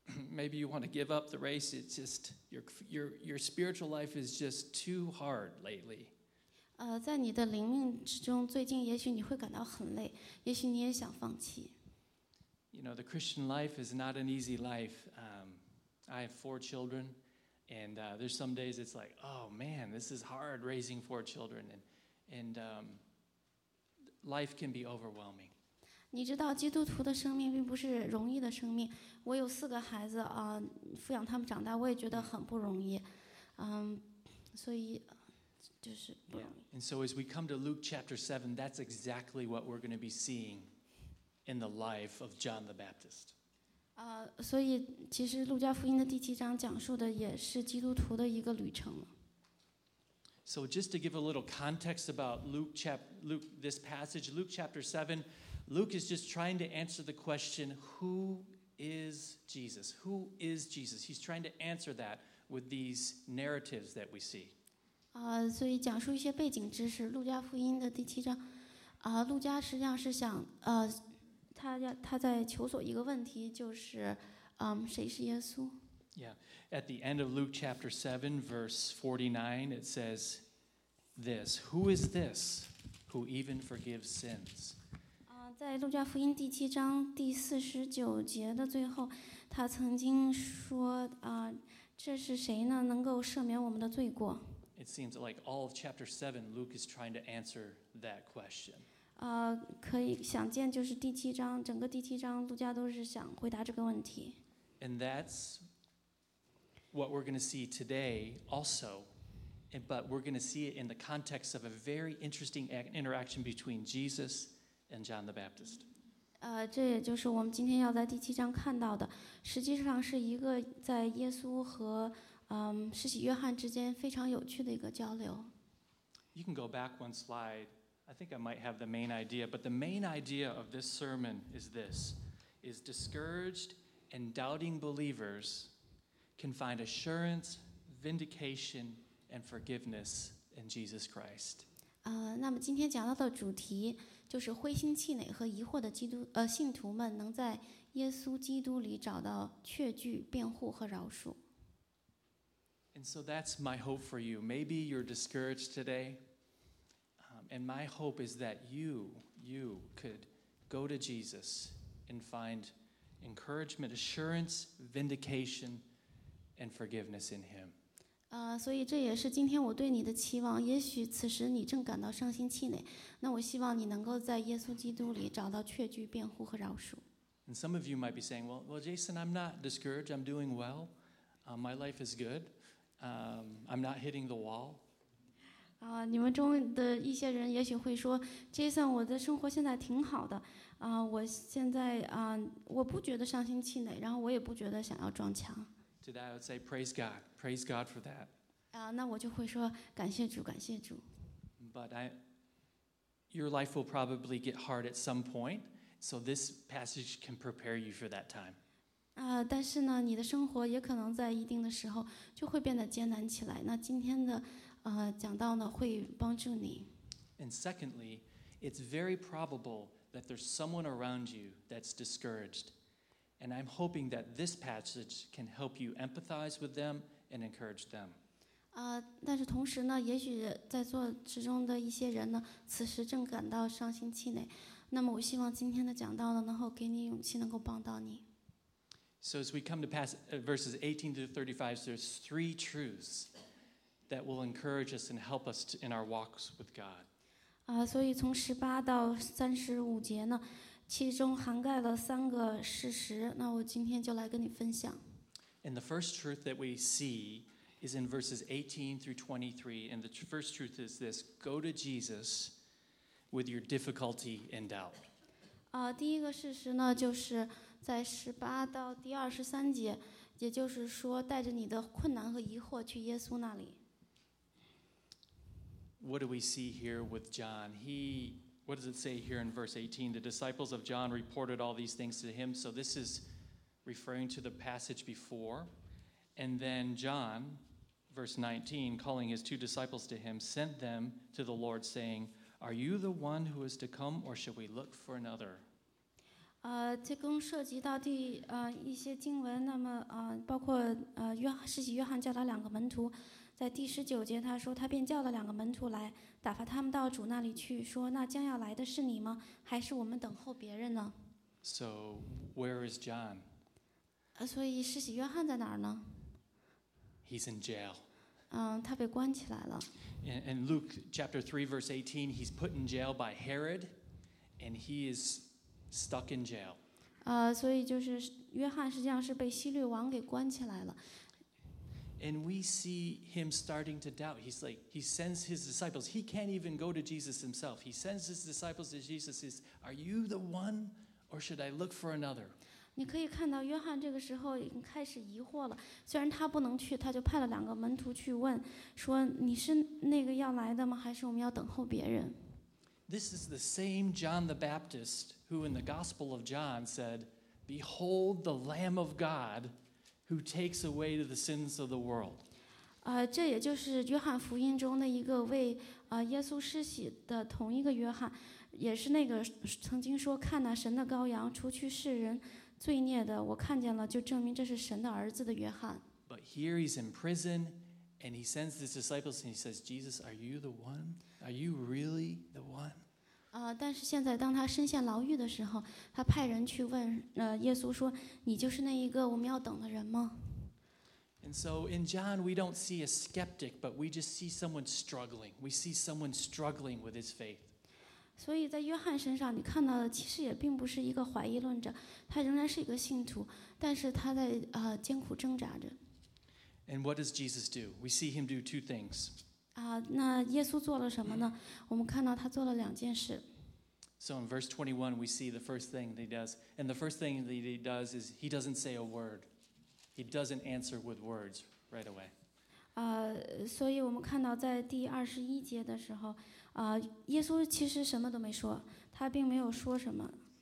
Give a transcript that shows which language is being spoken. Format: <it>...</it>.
<en>maybe you want to give up the race. It's just your spiritual life is just too hard lately.</en> <zh>在你的灵命之中，最近也许你会感到很累，也许你也想放弃。</zh> <en>You know, the Christian life is not an easy life. I have four children, and there's some days it's like, oh man, this is hard raising four children, and life can be overwhelming.</en> <zh>你知道基督徒的生命并不是容易的生命。我有四个孩子啊，抚养他们长大，我也觉得很不容易。所以就是不容易。</zh> <en>And so as we come to Luke chapter 7, that's exactly what we're going to be seeing in the life of John the Baptist.</en> <zh>所以其实路加福音的第七章讲述的也是基督徒的一个旅程。</zh> <en>So just to give a little context about this passage, Luke chapter 7, Luke is just trying to answer the question, who is Jesus? Who is Jesus? He's trying to answer that with these narratives that we see.</en> <zh>所以讲述一些背景知识，路加福音的第七章，路加实际上是想，他在求索一个问题，就是，谁是耶稣？</zh> <en>Yeah, at the end of Luke chapter 7, verse 49, it says this. Who is this who even forgives sins?</en> <zh>在路加福音第七章第四十九节的最后，他曾经说，这是谁呢？能够赦免我们的罪过？</zh> <en>It seems like all of chapter 7, Luke is trying to answer that question.</en> <zh>可以想见，就是第七章，整个第七章，路加都是想回答这个问题。</zh> <en>And that's... what we're going to see today also, but we're going to see it in the context of a very interesting interaction between Jesus and John the Baptist.</en> <zh>这也就是我们今天要在第七章看到的，实际上是一个在耶稣和施洗约翰之间非常有趣的一个交流。</zh> <en>You can go back one slide. I think I might have the main idea, but the main idea of this sermon is this, is discouraged and doubting believers... can find assurance, vindication, and forgiveness in Jesus Christ.</en> <zh>那么今天讲到的主题就是灰心气馁和疑惑的基督信徒们能在耶稣基督里找到确据、辩护和饶恕。</zh> <en>And so that's my hope for you. Maybe you're discouraged today, and my hope is that you could go to Jesus and find encouragement, assurance, vindication. And forgiveness in Him.</en> <zh>所以这也是今天我对你的期望。也许此时你正感到伤心气馁，那我希望你能够在耶稣基督里找到确据、辩护和饶恕。</zh> <en>And some of you might be saying, "Well, Jason, I'm not discouraged. I'm doing well. My life is good. I'm not hitting the wall."</en> <zh>你们中的一些人也许会说 ，Jason， 我的生活现在挺好的。我现在我不觉得伤心气馁，然后我也不觉得想要撞墙。</zh> <en>Today I would say praise God, praise God for that.</en> <zh>那我就会说感谢主，感谢主。</zh> <en>But your life will probably get hard at some point, so this passage can prepare you for that time.</en> <zh>但是呢，你的生活也可能在一定的时候就会变得艰难起来。那今天的讲道呢，会帮助你。</zh> <en>And secondly, it's very probable that there's someone around you that's discouraged. And I'm hoping that this passage can help you empathize with them and encourage them.</en> <zh>但是同时呢，也许在座之中的一些人呢，此时正感到伤心气馁。那么我希望今天的讲道呢，能够给你勇气，能够帮到你。</zh> <en>So as we come to verses 18 to 35, there's three truths that will encourage us and help us in our walks with God.</en> <zh>所以从十八到三十五节呢。其中涵盖了三个事实，那我今天就来跟你分享。</zh> <en>And the first truth that we see is in verses 18 through 23, and the first truth is this, go to Jesus with your difficulty and doubt.</en> <zh>第一个事实呢，就是在18到第23节，也就是说带着你的困难和疑惑去耶稣那里。</zh> <en>What do we see here with John? What does it say here in verse 18? The disciples of John reported all these things to him. So this is referring to the passage before. And then John, verse 19, calling his two disciples to him, sent them to the Lord saying, Are you the one who is to come, or shall we look for another?</en> <zh>这更涉及到第一些经文，那么包括约翰，施洗约翰叫他两个门徒，在第十九节他说他便叫了两个门徒来，打发他们到主那里去，说那将要来的是你吗？还是我们等候别人呢？</zh> <en>So where is John?</en> <zh>所以施洗约翰在哪儿呢？</zh> <en>He's in jail.</en> <zh>他被关起来了。</zh> <en>In Luke chapter 3 verse 18, he's put in jail by Herod, and he is stuck in jail.</en> <zh>所以就是约翰实际上是被希律王给关起来了。</zh> <en>And we see him starting to doubt. He's like, he sends his disciples. He can't even go to Jesus himself. He sends his disciples to Jesus. He says, are you the one, or should I look for another?</en> <zh>你可以看到约翰这个时候已经开始疑惑了。虽然他不能去，他就派了两个门徒去问，说你是那个要来的吗？还是我们要等候别人？</zh> <en>This is the same John the Baptist who in the Gospel of John said, behold the Lamb of God,who takes away the sins of the world.</en> <zh>这也就是约翰福音中的一个为耶稣施洗的同一个约翰，也是那个曾经说看那神的羔羊除去世人罪孽的，我看见了就证明这是神的儿子的约翰。</zh> <en>But here he's in prison and he sends his disciples and he says, Jesus, are you the one? Are you really the one?</en> <zh>但是现在当他身陷牢狱的时候，他派人去问耶稣说，你就是那一个我们要等的人吗？</zh> <en>And so in John we don't see a skeptic, but we just see someone struggling. We see someone struggling with his faith.</en> <zh>所以在约翰身上你看到的其实也并不是一个怀疑论者，他仍然是一个信徒，但是他在艰苦挣扎着。 And what does Jesus do? We see him do two things. 那耶稣做了什么呢？我们看到他做了两件事。</zh> <en>So in verse 21, we see the first thing that he does. And the first thing that he does is he doesn't say a word. He doesn't answer with words right away.</en> <zh>所以我们看到在第二十一节的时候，耶稣其实什么都没说，他并没有说什么。</zh>